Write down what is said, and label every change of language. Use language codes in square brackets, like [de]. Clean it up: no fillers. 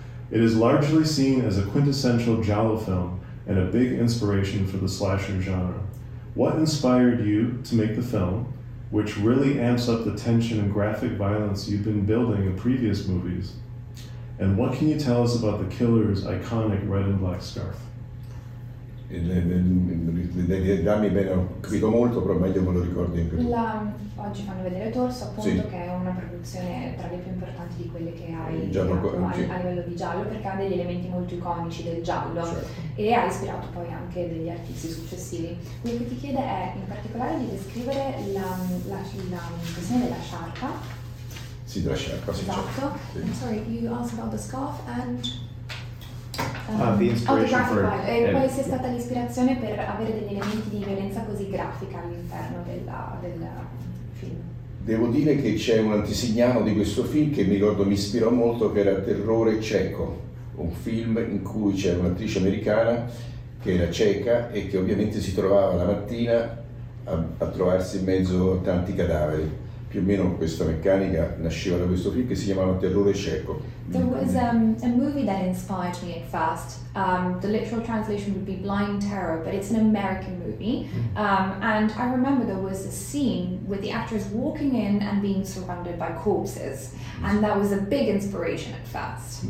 [en] It is largely seen as a quintessential giallo film and a big inspiration for the slasher genre. What inspired you to make the film, which really amps up the tension and graphic violence you've been building in previous movies? And what can you tell us about the killer's iconic red and black scarf? [it] Dammi bene, capito molto, però meglio me lo ricordi. Oggi fanno vedere Torso, appunto, sì. Che è una produzione tra le più importanti di quelle che hai a livello di giallo, perché ha degli elementi molto iconici del giallo, certo. E ha ispirato poi anche degli artisti successivi. Quello che ti chiede è in particolare di descrivere la questione della sciarpa. Sì, della sciarpa, sì. Esatto. Sì. [en] I'm sorry, you asked about the scarf and... [it] Poi sia stata l'ispirazione per avere degli elementi di violenza così grafica all'interno del film. Devo dire che c'è un antesignano di questo film che mi ricordo mi ispirò molto, che era Terrore Cieco, un film in cui c'era un'attrice americana che era cieca e che ovviamente si trovava la mattina a trovarsi in mezzo a tanti cadaveri. Più o meno questa meccanica nasceva da questo film che si chiamava Terrore Cieco. [en] There was a movie that inspired me at first. The literal translation would be Blind Terror, but it's an American movie. And I remember there was a scene with the actress walking in and being surrounded by corpses. And that was a big inspiration at first.